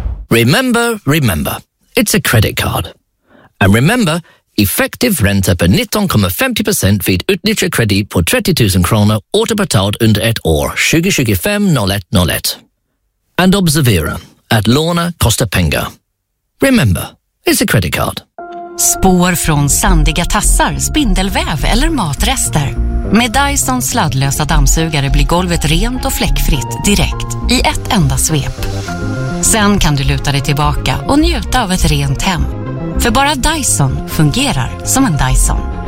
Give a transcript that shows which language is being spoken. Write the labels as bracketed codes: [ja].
[en] Remember, remember. It's a credit card. And remember, [sv] effective ränta på 19,50% vid utnyttjad kredit på 30 000 kronor återbetalt under ett år, 2025-01-01. And observera att låna kostar pengar. [en] Remember, it's a credit card. [sv] Spår från sandiga tassar, spindelväv eller matrester. Med Dyson sladdlösa dammsugare blir golvet rent och fläckfritt direkt i ett enda svep. Sen kan du luta dig tillbaka och njuta av ett rent hem. För bara Dyson fungerar som en Dyson.